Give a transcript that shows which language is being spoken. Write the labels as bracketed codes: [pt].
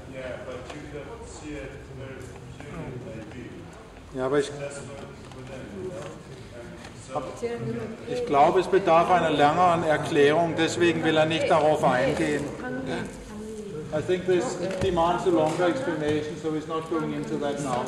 [en] Yeah, but you can see it very clearly. Yeah, but. [de] Ich glaube, es bedarf einer längeren Erklärung, deswegen will er nicht darauf eingehen. [en] I think this demands a longer explanation, so he's not going into that now.